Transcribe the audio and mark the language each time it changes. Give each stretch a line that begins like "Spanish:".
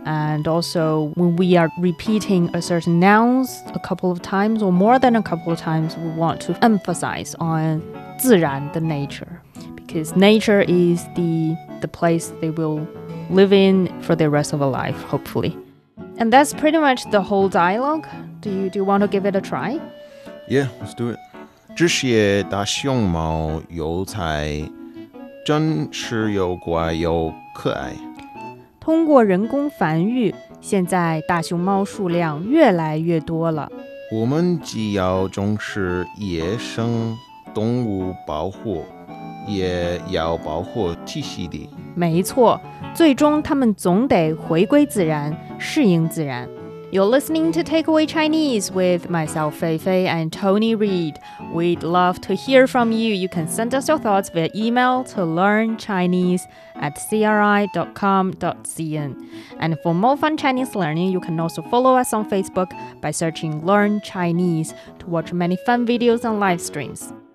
English: And also when we are repeating a certain nouns a couple of times or more than a couple of times, we want to emphasize on 自然, the nature. Because nature is the place they will live in for the rest of their life, hopefully. And that's pretty much the whole dialogue. Do you want to give it a try? Yeah, let's do it.
Chinese: 这些大熊猫幼崽真是又乖又可爱。通过人工繁育，现在大熊猫数量越来越多了。我们既要重视野生动物保护。也要保护栖息地。没错，最终他们总得回归自然，适应自然。
English: You're listening to Takeaway Chinese with myself, Feifei, and Tony Reid. We'd love to hear from you. You can send us your thoughts via email to learnchinese@cri.com.cn. And for more fun Chinese learning, you can also follow us on Facebook by searching Learn Chinese to watch many fun videos and live streams.